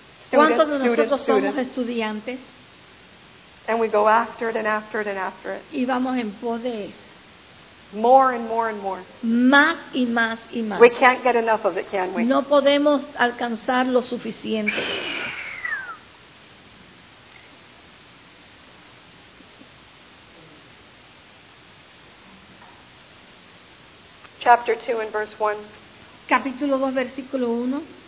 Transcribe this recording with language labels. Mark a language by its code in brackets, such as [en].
[es] ¿Cuántos de nosotros somos estudiantes? [en] And we go after it and after it and after it. [es] Y vamos en pos de eso. [en] More and more and more. [es] Más y más y más. [en] We can't get enough of it, can we? [es] No podemos alcanzar lo suficiente. [en] Chapter 2 and verse 1. [es] Capítulo 2, versículo 1.